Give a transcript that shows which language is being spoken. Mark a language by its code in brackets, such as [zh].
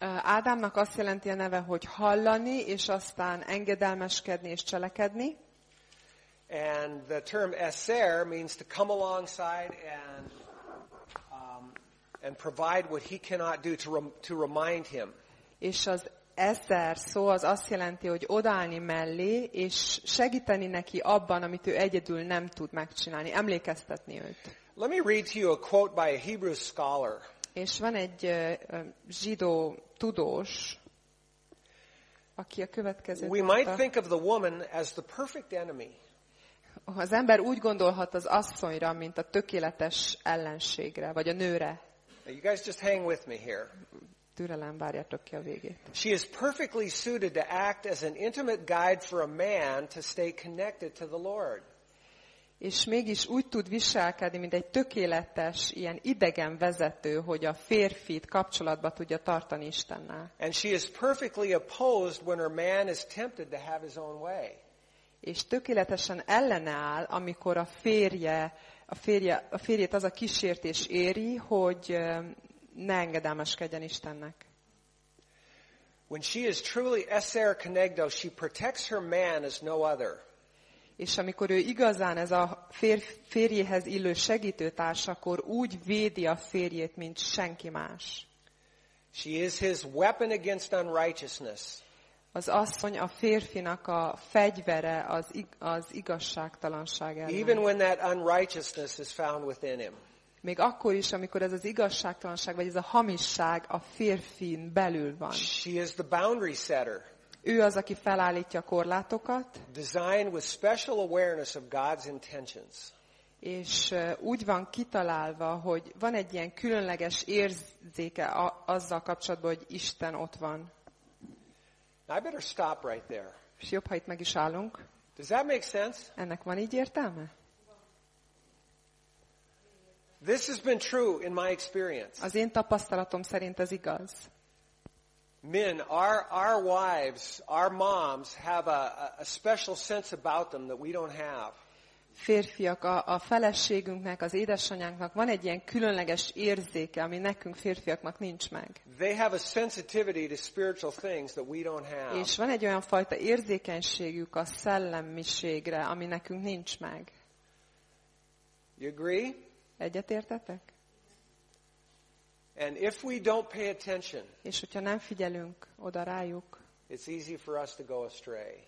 [hu] Ádámnak azt jelenti a neve, hogy hallani és aztán engedelmeskedni és cselekedni. [en] And the term eser means to come alongside and provide what he cannot do to remind him. [hu] És az eser szó az azt jelenti, hogy odállni mellé, és segíteni neki abban, amit ő egyedül nem tud megcsinálni, emlékeztetni őt. [en] Let me read to you a quote by a Hebrew scholar. [hu] És van egy zsidó tudós, aki a következőt mondta. [en] We might think of the woman as the perfect enemy. [hu] Az ember úgy gondolhat az asszonyra, mint a tökéletes ellenségre, vagy a nőre. [en] You guys just hang with me here. [hu] Türelem, várjátok ki a végét. [en] She is perfectly suited to act as an intimate guide for a man to stay connected to the Lord. [hu] És mégis úgy tud viselkedni, mint egy tökéletes ilyen idegen vezető, hogy a férfit kapcsolatba tudja tartani Istennel. [en] And she is perfectly opposed when her man is tempted to have his own way. [hu] És tökéletesen ellene áll, amikor a férjét az a kísértés éri, hogy ne engedelmeskedjen Istennek. [en] When she is truly eser kenegdo, she protects her man as no other. [hu] És amikor ő igazán ez a férjéhez illő segítőtárs, akkor úgy védi a férjét, mint senki más. [en] She is his weapon against unrighteousness. [hu] Az asszony a férfinak a fegyvere az igazságtalanság ellen. [en] Even when that unrighteousness is found within him. [hu] Még akkor is, amikor ez az igazságtalanság, vagy ez a hamisság a férfin belül van. [en] She is the boundary setter. [hu] Ő az, aki felállítja a korlátokat. [en] Designed with special awareness of God's intentions. [hu] És úgy van kitalálva, hogy van egy ilyen különleges érzéke azzal kapcsolatban, hogy Isten ott van. [en] I better stop right there. [hu] És jobb, ha itt meg is állunk. [en] Does that make sense? [hu] Ennek van így értelme? [en] This has been true in my experience. [hu] Az én tapasztalatom szerint ez igaz. [en] Men, our wives, our moms have a special sense about them that we don't have. [hu] férfiak, a feleségünknek, az édesanyánknak van egy ilyen különleges érzéke, ami nekünk férfiaknak nincs meg. [en] They have a sensitivity to spiritual things that we don't have. [hu] És van egy olyan fajta érzékenységük a szellemiségre, ami nekünk nincs meg. [en] You agree? [hu] Egyetértetek? [en] And if we don't pay attention, [hu] és hogyha nem figyelünk oda rájuk, [en] it's easy for us to go astray.